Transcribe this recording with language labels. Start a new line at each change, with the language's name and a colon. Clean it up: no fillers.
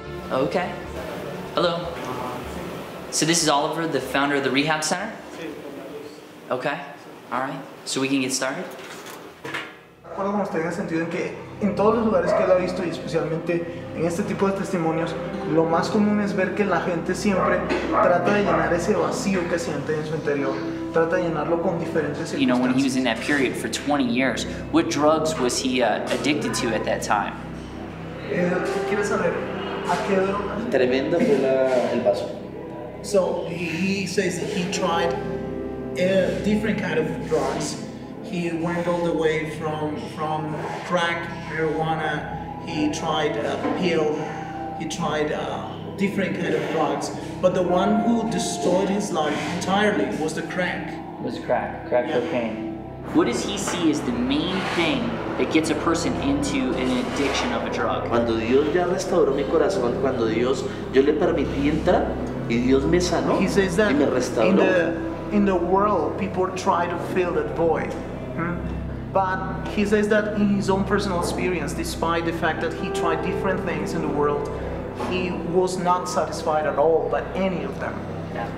English: Okay. Hello. So this is Oliver, the founder of the rehab center? Okay. All right. So we can get started.
Spanish: Recuerdo con ustedes en el sentido en que en todos los lugares que él ha visto y especialmente en este tipo de testimonios, lo más común es ver que la gente siempre trata de llenar ese vacío que siente en su interior. Trata de llenarlo con diferentes circunstancias.
English: You know, when he was in that period for 20 years, what drugs was he addicted to at that time?
Spanish: ¿Quiere saber? Tremendo fue el vaso.
English: So he says that he tried different kind of drugs. He went all the way from crack, marijuana. He tried a pill. He tried different kind of drugs. But the one who destroyed his life entirely was the crack. It was crack yeah. Cocaine. What does he see as the main thing that gets a person into an addiction of a drug?
Spanish: Cuando Dios ya restauró mi corazón, cuando Dios, yo le permití entrar y Dios me sanó y me restauró.
English: He says that in the world, people try to fill that void. But he says that in his own personal experience, despite the fact that he tried different things in the world, he was not satisfied at all by any of them. Yeah.